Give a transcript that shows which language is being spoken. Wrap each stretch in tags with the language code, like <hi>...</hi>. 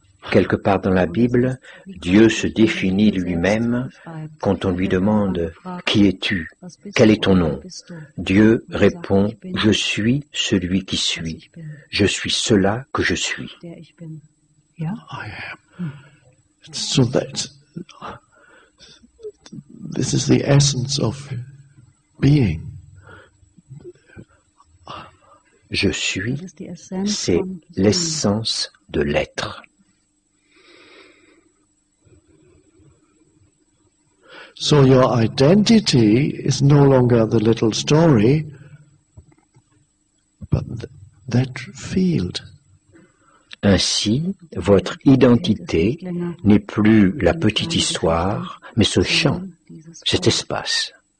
<fr>Quelque part dans la Bible, Dieu se définit lui-même quand on lui demande « Qui es-tu? Quel est ton nom ?» Dieu répond « Je suis celui qui suis. Je suis cela que je suis. »</fr> <en>I am. So that, this is the essence of being.</en> <fr>Je suis, c'est l'essence de l'être.</fr> <en>So your identity is no longer the little story, but that field.</en> <fr>Ainsi, votre identité n'est plus la petite histoire, mais ce champ, cet espace.</fr>